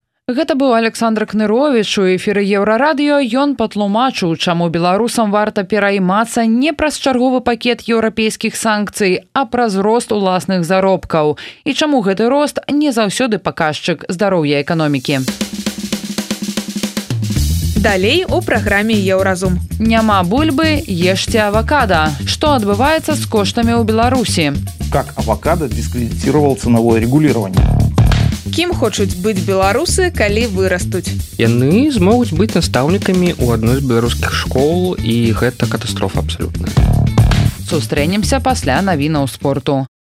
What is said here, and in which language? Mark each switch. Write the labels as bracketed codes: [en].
[be] Гэта быў Александр Кнырович у эфіры Еўрарадыё. Ён патлумачыў, чаму беларусам варта пераймацца не праз чарговы пакет еўрапейскіх санкцый, а праз рост уласных заробкаў. І чаму гэты рост не заўсёды паказчык здароўя эканомікі. Далей у праграме Еўразум. Няма бульбы, ешце авакада. Што адбываецца з коштамі ў Беларусі? [ru] Как авакада дыскредитировал цэнавое регулирование? [be] Кім хочуць быць беларусы, калі вырастуць? Яны змогуць быць настаўнікамі ў адной з беларускіх школ, і гэта катастрофа абсалютна. Сустрэнемся пасля навінаў спорту.